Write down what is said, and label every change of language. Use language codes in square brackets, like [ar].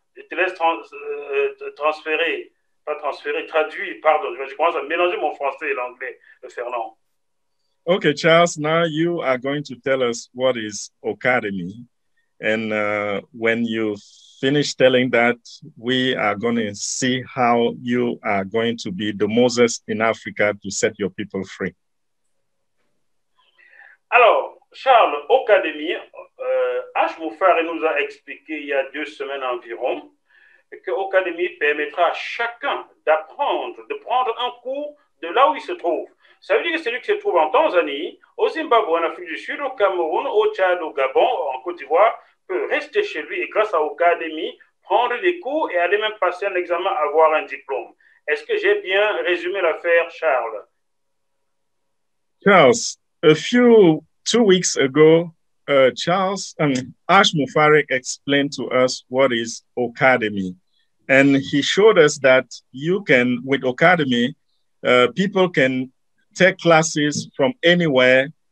[fr] Je te laisse traduire, je commence à mélanger mon français et l'anglais, Fernand. [en] Okay, Charles, now you are going to tell us what is Académie. And when you finish telling that, we are going to see how you are going to be the Moses in Africa to set your people free. [fr] Alors, Charles, Académie, H. Moufar nous a expliqué il y a deux semaines environ que Académie permettra à chacun d'apprendre, de prendre un cours de là où il se trouve. Ça veut dire que celui qui se trouve en Tanzanie, au Zimbabwe, en Afrique du Sud, au Cameroun, au Tchad, au Gabon, en Côte d'Ivoire, peut rester chez lui et grâce à Académie, prendre des cours et aller même passer un examen, avoir un diplôme. Est-ce que j'ai bien résumé l'affaire, Charles? Charles, [en] 2 weeks ago, Charles and Ash Mufarek explained to us what is Ocademy. And he showed us that you can, with Ocademy, people can take classes from anywhere.